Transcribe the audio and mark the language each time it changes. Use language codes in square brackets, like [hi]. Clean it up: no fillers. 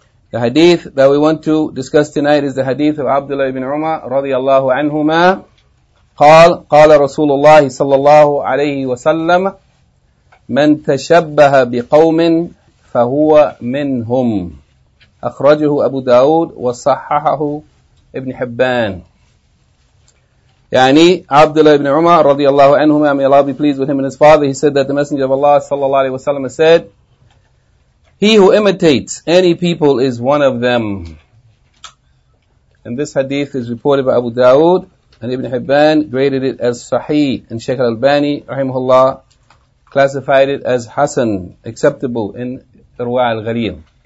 [en] The hadith that we want to discuss tonight is the hadith of Abdullah ibn Umar radiallahu anhuma. Qala Rasulullah sallallahu alayhi wa sallam, [ar] من تشبه بقوم فهو منهم. أخرجه أبو داود وصححه ابن حبان. يعني عبد الله بن عمر رضي الله عنهما, [en] may Allah be pleased with him and his father, he said that the Messenger of Allah [ar] صلى الله عليه وسلم [en] said, he who imitates any people is one of them. And this hadith is reported by Abu Dawood, and Ibn Hibban graded it as sahih, and Shaykh al-Albani rahimahullah classified it as Hassan, acceptable in Irwa' al-Ghareem.